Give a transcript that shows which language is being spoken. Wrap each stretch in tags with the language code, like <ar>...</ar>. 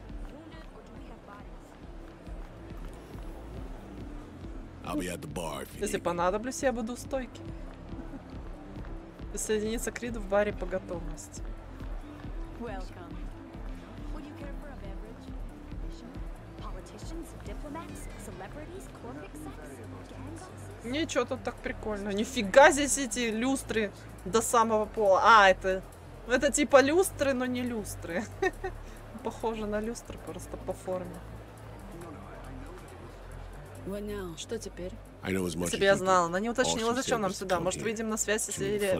<en>Wounded or do we have bodies? I'll be at the bar if you need.</en> <ru>Если понадоблюсь, я буду у стойки. Присоединиться к Риду в баре по готовности.</ru> <en>Welcome. Would you care for a beverage? Politicians, diplomats, celebrities, corporate execs, gangs?</en> <ru>Ничего тут так прикольно. Нифига здесь эти люстры до самого пола. А, это типа люстры, но не люстры. Похоже на люстры просто по форме. Что теперь? Если я знала, она не уточнила, зачем нам сюда. Может, выйдем на связь, или...</ru>